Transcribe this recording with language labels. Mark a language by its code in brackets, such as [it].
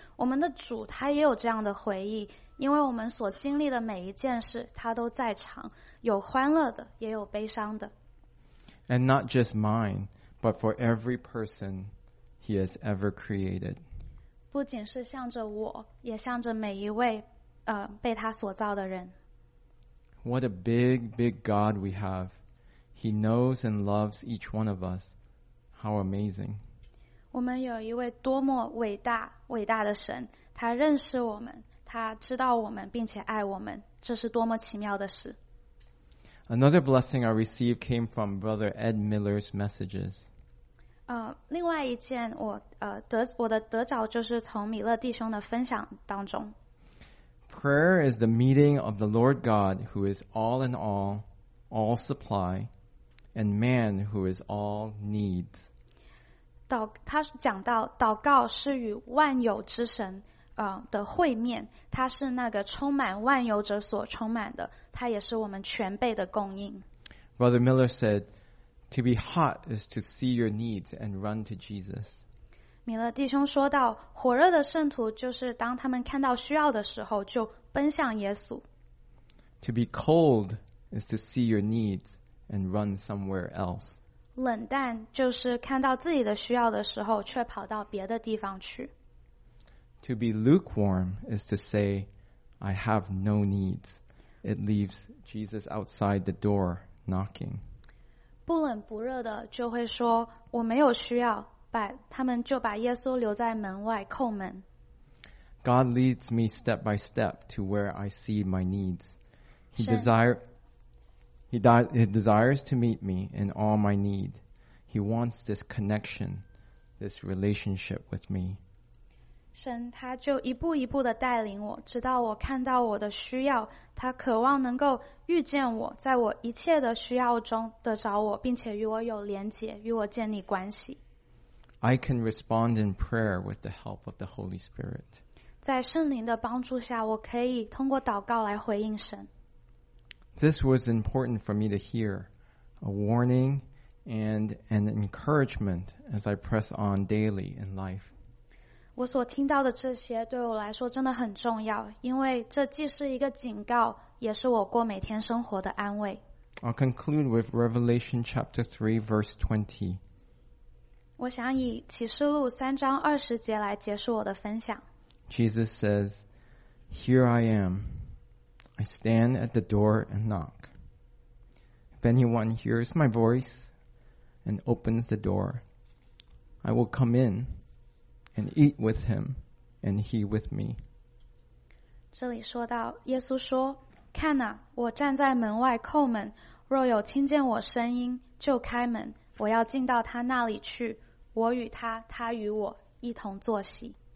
[zh] 我们的主他也有这样的回忆，因为我们所经历的每一件事他都在场，有欢乐的也有悲伤的。 [en] And not just mine, but for every person he has ever created. [zh] 不仅是向着我，也向着每一位被他所造的人。 [en] What a big, big God we have. He knows and loves each one of us. How amazing. [zh] 我们有一位多么伟大、伟大的神，他认识我们，他知道我们，并且爱我们，这是多么奇妙的事。 [en] Another blessing I received came from Brother Ed Miller's messages. [zh] 另外一件我的得着就是从米勒弟兄的分享当中。 [en] Prayer is the meeting of the Lord God who is all in all, all supply, and man who is all needs. [zh] 他讲到祷告是与万有之神的会面，他是那个充满万有者所充满的，他也是我们全备的供应。 [en] Brother Miller said, to be hot is to see your needs and run to Jesus. [zh] 米勒弟兄说到，火热的圣徒就是当他们看到需要的时候就奔向耶稣。 [en] To be cold is to see your needs and run somewhere else. [zh] 冷淡就是看到自己的需要的时候却跑到别的地方去。 [en] To be lukewarm is to say, I have no needs. It leaves Jesus outside the door knocking. [zh] 不冷不热的就会说我没有需要，他们就把耶稣留在门外叩门。 [en] God leads me step by step to where I see my needs. He desires to meet me in all my need. He wants this connection, this relationship with me. [zh] 神他就一步一步的带领我，直到我看到我的需要，他渴望能够遇见我，在我一切的需要中得着我，并且与我有连结，与我建立关系。 [en] I can respond in prayer with the help of the Holy Spirit. [zh] 在圣灵的帮助下，我可以通过祷告来回应神。 [en] This was important for me to hear, a warning and an encouragement as I press on daily in life. [zh] 我所听到的这些对我来说真的很重要，因为这既是一个警告，也是我过每天生活的安慰。 [en] I'll conclude with Revelation chapter 3, verse 20. [zh] 我想以启示录三章二十节来结束我的分享。 [en] Jesus says, Here I am. I stand at the door and knock. If anyone hears my voice and opens the door, I will come in and eat with him and he with me. [zh] 这里说到，耶稣说，看哪，我站在门外叩门，若有听见我声音，就开门，我要进到他那里去。我与他，他与我一同坐席。